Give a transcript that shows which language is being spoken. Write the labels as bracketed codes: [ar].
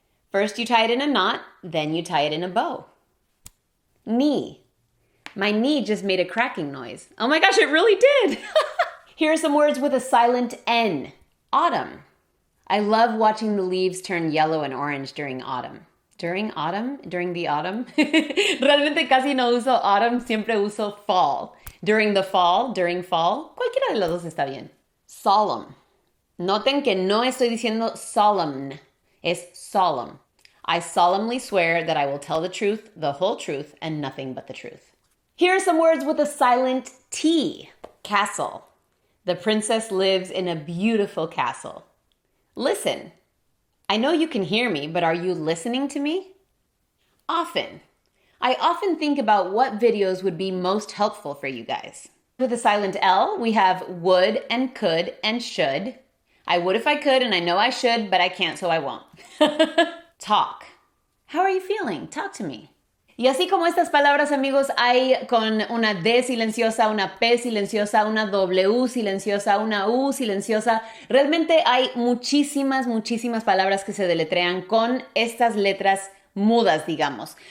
[en] First you tie it in a knot, then you tie it in a bow. Knee. My knee just made a cracking noise. Oh my gosh, it really did. Here are some words with a silent N. Autumn. I love watching the leaves turn yellow and orange during autumn. During autumn? During the autumn? [es] Realmente casi no uso autumn, siempre uso fall. [en] During the fall? During fall? [es] Cualquiera de los dos está bien. Solemn. Noten que no estoy diciendo solemn. Es solemn. [en] I solemnly swear that I will tell the truth, the whole truth, and nothing but the truth. Here are some words with a silent T. Castle. The princess lives in a beautiful castle. Listen. I know you can hear me, but are you listening to me? Often. I often think about what videos would be most helpful for you guys. With a silent L, we have would and could and should. I would if I could, and I know I should, but I can't, so I won't. Talk. How are you feeling? Talk to me. [es] Y así como estas palabras, amigos, hay con una D silenciosa, una P silenciosa, una W silenciosa, una U silenciosa. Realmente hay muchísimas, muchísimas palabras que se deletrean con estas letras mudas, digamos.